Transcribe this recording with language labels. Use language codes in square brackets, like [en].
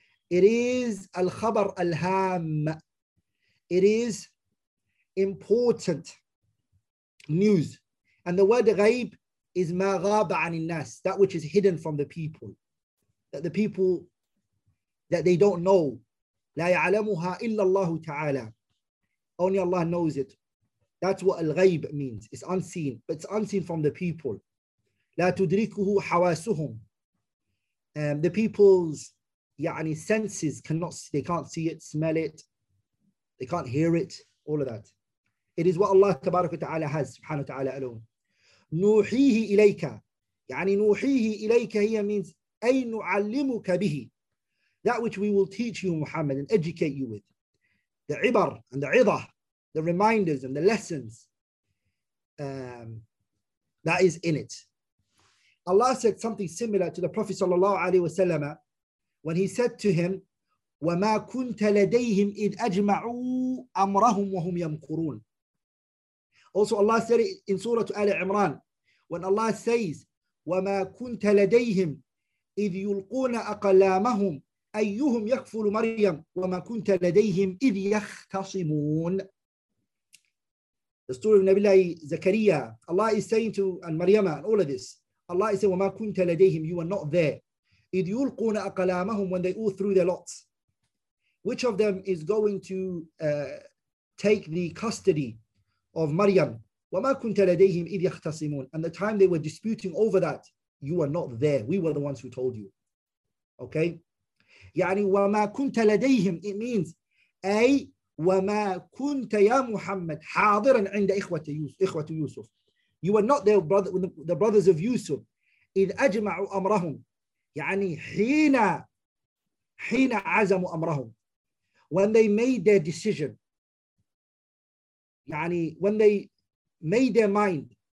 [en] It is [ar] الخبر الهام. [en] It is important news. And the word غيب is [ar] ما غاب عن الناس, [en] that which is hidden from the people. That the people, that they don't know. [ar] لا يعلمها إلا الله تعالى. [en] Only Allah knows it. That's what al-ghayb means. It's unseen, but it's unseen from the people. [ar] لا تدركه حواسهم. [en] The people's يعني senses cannot, they can't see it, smell it, they can't hear it, all of that. It is what Allah [ar] تبارك وتعالى [en] has, [ar] سبحانه وتعالى [en] alone. [ar] نوحيه إليك. يعني نوحيه إليك هي means أي نعلمك به. [en] That which we will teach you, Muhammad, and educate you with. The ibar and the idah, the reminders and the lessons that is in it. Allah said something similar to the Prophet sallallahu alaihi wasallam when he said to him, [ar] وَمَا كُنْتَ لَدَيْهِمْ إِذْ أَجْمَعُوا أَمْرَهُمْ وَهُمْ يَمْكُرُونَ. [en] Also Allah said it in Surah Ali Imran, when Allah says, [ar] وَمَا كُنْتَ لَدَيْهِمْ إِذْ يُلْقُونَ أَقْلَامَهُمْ أَيُّهُمْ يَكْفُلُ مَرْيَمْ وَمَا كُنْتَ لَدَيْهِمْ إِذْ يَخْتَصِمُونَ. [en] The story of Nabi Zakaria, Allah is saying to, and Maryama, and all of this, Allah is saying, [ar] وَمَا كُنْتَ لَدَيْهِمْ, [en] you are not there. [ar] إِذْ يُلْقُونَ أَقْلَامَهُمْ, [en] when they all threw their lots. Which of them is going to take the custody of Maryam? [ar] وَمَا كُنْتَ لَدَيْهِمْ إِذْ يَخْتَصِمُونَ. [en] And the time they were disputing over that, you are not there. We were the ones who told you. Okay? [ar] يعني وما كنت لديهم, [en] it means [ar] أي وما كنت يا محمد حاضرا عند إخوة يوسف. [en] You were not there brother, with the brothers of Yusuf. [ar] إذ أجمعوا أمرهم, يعني حين عزموا أمرهم, [en] when they made their decision, يعني when they made their mind.